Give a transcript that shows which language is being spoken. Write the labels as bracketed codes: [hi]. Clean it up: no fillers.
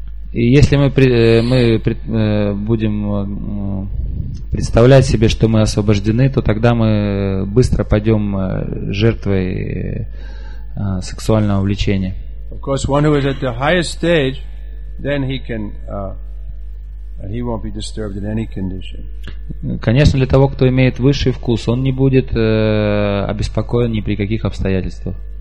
[ru] И если мы будем представлять себе, что мы освобождены, то тогда мы быстро пойдем жертвой сексуального влечения. [en] Of course, one who is at the highest stage, then he can And he won't be disturbed in any condition. [ru] Конечно, для того, кто имеет высший вкус, он не будет обеспокоен ни при каких обстоятельствах.